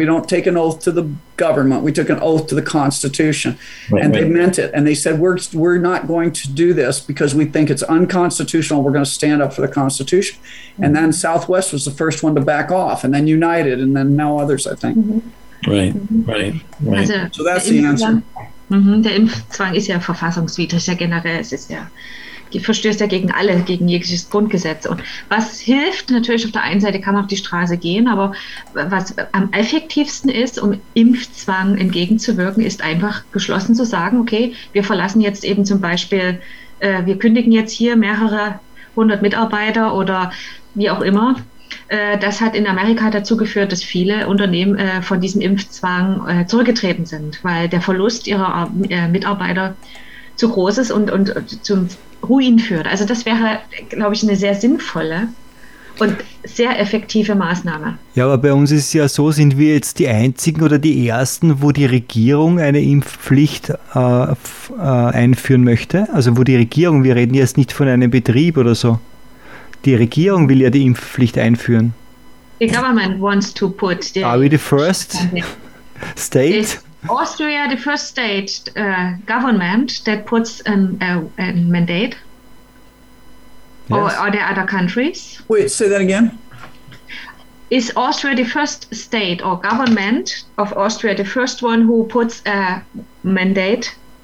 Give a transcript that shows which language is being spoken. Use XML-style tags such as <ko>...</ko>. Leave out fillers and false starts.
<en>We don't take an oath to the government. We took an oath to the Constitution, they meant it. And they said, we're not going to do this because we think it's unconstitutional. We're going to stand up for the Constitution. Mm-hmm. And then Southwest was the first one to back off, and then United, and then now others, I think. Mm-hmm. Right. So that's the answer. Mm-hmm.</en> <de>Der Impfzwang ist ja verfassungswidrig, ja generell, es ist ja... verstößt ja gegen alle, gegen jegliches Grundgesetz. Und was hilft, natürlich auf der einen Seite kann man auf die Straße gehen, aber was am effektivsten ist, um Impfzwang entgegenzuwirken, ist einfach geschlossen zu sagen, okay, wir verlassen jetzt eben zum Beispiel, wir kündigen jetzt hier mehrere hundert Mitarbeiter oder wie auch immer. Das hat in Amerika dazu geführt, dass viele Unternehmen von diesem Impfzwang zurückgetreten sind, weil der Verlust ihrer Mitarbeiter zu groß ist und zum Ruin führt. Also das wäre, glaube ich, eine sehr sinnvolle und sehr effektive Maßnahme. Ja, aber bei uns ist es ja so, sind wir jetzt die Einzigen oder die Ersten, wo die Regierung eine Impfpflicht einführen möchte? Also wo die Regierung, wir reden jetzt nicht von einem Betrieb oder so, die Regierung will ja die Impfpflicht einführen.</de> <en>The government wants to put the... Are we the first state? Austria, the first state government that puts a mandate, yes. Or are there other countries? Wait, say that again. Is Austria the first state or government of Austria the first one who puts a mandate?</en>